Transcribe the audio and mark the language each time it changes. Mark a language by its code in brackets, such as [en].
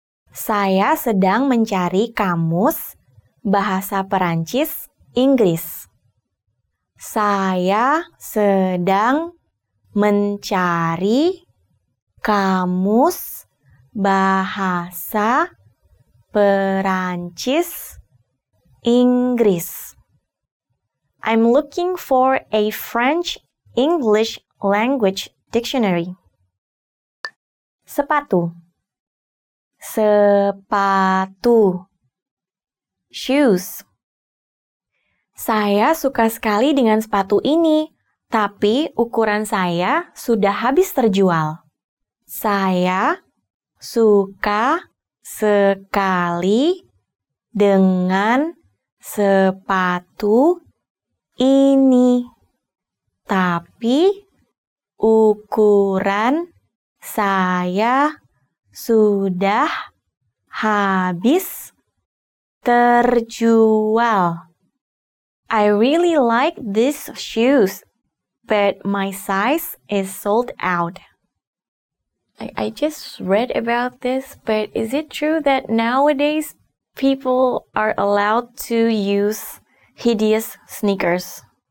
[id] Saya sedang mencari kamus bahasa Perancis Inggris. Saya sedang mencari kamus bahasa Perancis Inggris. [en] I'm looking for a French English language dictionary. [id] Sepatu. Sepatu. Shoes. Saya suka sekali dengan sepatu ini, tapi ukuran saya sudah habis terjual. Saya suka sekali dengan sepatu ini, tapi ukuran saya sudah habis terjual. [en] I really like these shoes, but my size is sold out. I just read about this, but is it true that nowadays people are allowed to use hideous sneakers?